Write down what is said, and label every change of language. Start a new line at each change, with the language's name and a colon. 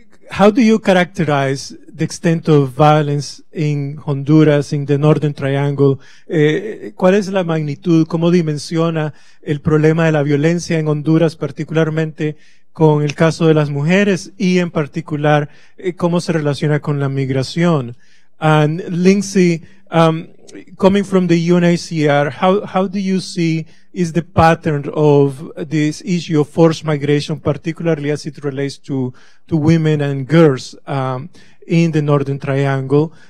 English: How do you characterize the extent of violence in Honduras, in the Northern Triangle?
Spanish: ¿Cuál es la magnitud? ¿Cómo dimensiona el problema de la violencia en Honduras, particularmente con el caso de las mujeres? Y en particular, ¿cómo se relaciona con la migración?
English: And Lindsay, coming from the UNHCR, how do you see is the pattern of this issue of forced migration, particularly as it relates to women and girls in the Northern Triangle?